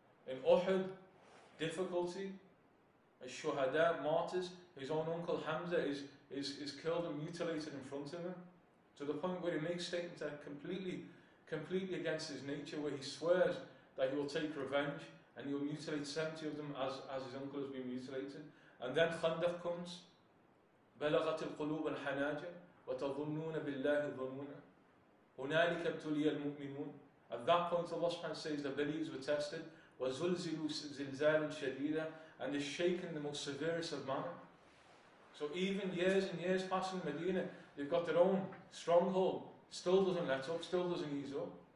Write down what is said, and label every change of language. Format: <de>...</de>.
<en>In Uhud, difficulty. الشهداء, martyrs, his own uncle Hamza is killed and mutilated in front of him, to the point where he makes statements that are completely against his nature, where he swears that he will take revenge and he will mutilate 70 of them as his uncle has been mutilated. And then Khandaq comes,</en> <ar>بلغت القلوب الحناجر وتظنون بالله ظنونا هنالك ابتلي المؤمنون.</ar> <en>At that point Allah subhanahu wa ta'ala says the believers were tested,</en> <ar>وَزُلْزِلُوا زِلْزَالًا شَدِيدًا,</ar> <en>and is shaken in the most severest of manner. So even years and years passing Medina, they've got their own stronghold, still doesn't let up, still doesn't ease up.</en>